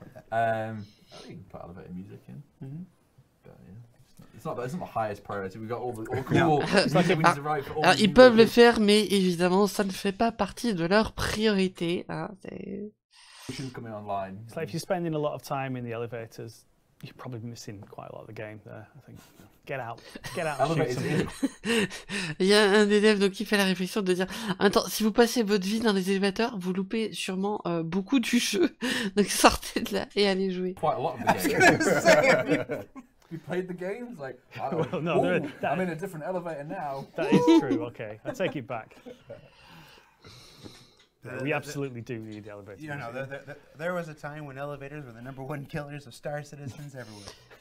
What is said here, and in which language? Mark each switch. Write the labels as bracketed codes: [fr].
[en] We can put elevator music in. It's not the highest priority. We got all cool. [fr] Ils peuvent le faire, mais évidemment, ça ne fait pas partie de leur priorité. [en] It's like if you're spending a lot of time in the elevators. You're probably missing quite a lot of the game there, I think. Get out and shoot somebody. [fr] Il y a un élève donc, qui fait la réflexion de dire « Attends, si vous passez votre vie dans les élévateurs, vous loupez sûrement beaucoup du jeu. Donc sortez de là et allez jouer. » [en] Quite a lot of the game. you played the games? Like, I don't well, know. No, ooh, that, I'm in a different elevator now. That is true. Okay, I take it back. We absolutely do need the elevator. You know, there was a time when elevators were the number one killers of Star Citizens everywhere.